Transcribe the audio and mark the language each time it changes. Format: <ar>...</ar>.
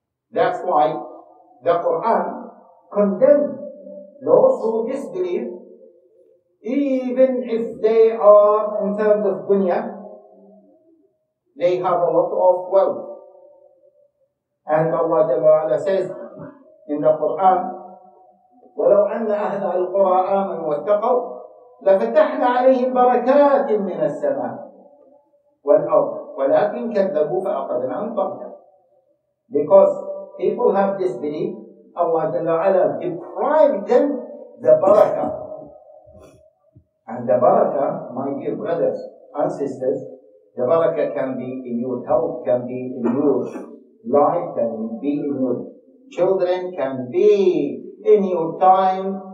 <en>That's why the Quran condemns those who disbelieve, even if they are in terms of dunya, they have a lot of wealth. And Allah Ta'ala says in the Quran,</en> <ar>ولو أن أهل القرى آمنوا واتقوا لفتحنا عليهم بركات من السماء والأرض ولكن كذبوا فأخذناهم بغتة.</ar> <en>Because people have disbelief, Allah Jalla Ala deprived them the baraka. And the baraka, my dear brothers and sisters, the baraka can be in your health, can be in your life, can be in your children, can be in your time.</en>